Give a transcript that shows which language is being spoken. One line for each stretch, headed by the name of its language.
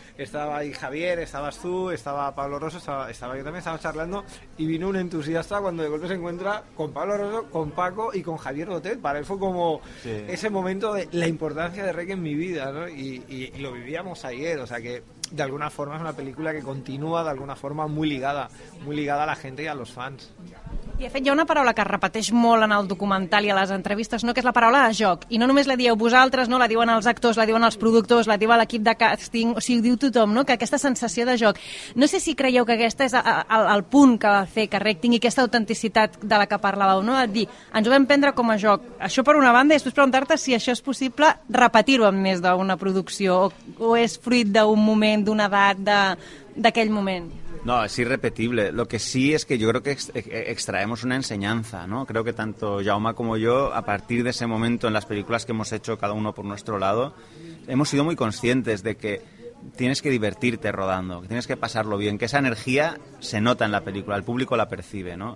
Spanish: Estaba ahí Javier, estabas tú, estaba Pablo Rosso, estaba yo también, estaba charlando, y vino un entusiasta cuando de golpe se encuentra con Pablo Rosso, con Paco y con Javier Dotet. Para él fue como ese momento de la importancia de REC en mi vida, ¿no? Y lo vivíamos ayer, o sea que de alguna forma es una película que continúa de alguna forma muy ligada a la gente y a los fans.
Catalan: I, de fet, hi ha una paraula que es repeteix molt en el documental i a les entrevistes, no?, que és la paraula de joc. I no només la dieu vosaltres, no?, la diuen els actors, la diuen els productors, la diu l'equip de càsting, o sigui, ho diu tothom, no?, que aquesta sensació de joc. No sé si creieu que aquest és el punt que va fer que REC tingui aquesta autenticitat de la que parlàveu, no?, de dir, ens ho vam prendre com a joc. Això per una banda, i després preguntar-te si això és possible repetir-ho amb més d'una producció o és fruit d'un moment, d'una edat, d'aquell moment.
Spanish: No, es irrepetible. Lo que sí es que yo creo que extraemos una enseñanza, ¿no? Creo que tanto Jaume como yo, a partir de ese momento en las películas que hemos hecho cada uno por nuestro lado, hemos sido muy conscientes de que tienes que divertirte rodando, que tienes que pasarlo bien, que esa energía se nota en la película, el público la percibe, ¿no?